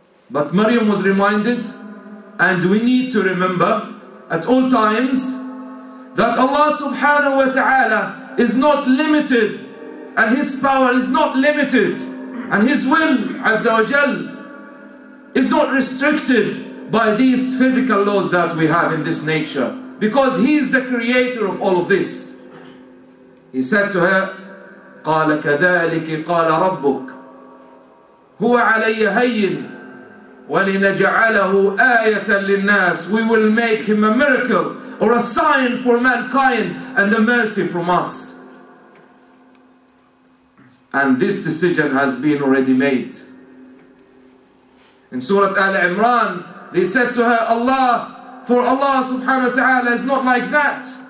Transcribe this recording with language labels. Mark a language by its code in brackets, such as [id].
[en] But Maryam was reminded, and we need to remember at all times that Allah subhanahu wa ta'ala is not limited, and His power is not limited, and His will azza wa jal is not restricted by these physical laws that we have in this nature, because He is the creator of all of this. He said to her, [ar] قَالَ كَذَلِكِ قَالَ رَبُّكِ هُوَ عَلَيَّ هَيِّنْ وَلِنَجْعَلَهُ آيَةً لِلنَّاسِ. [en] We will make him a miracle or a sign for mankind and a mercy from us. And this decision has been already made. In Surah Al-Imran, they said to her, Allah, for Allah subhanahu wa ta'ala is not like that.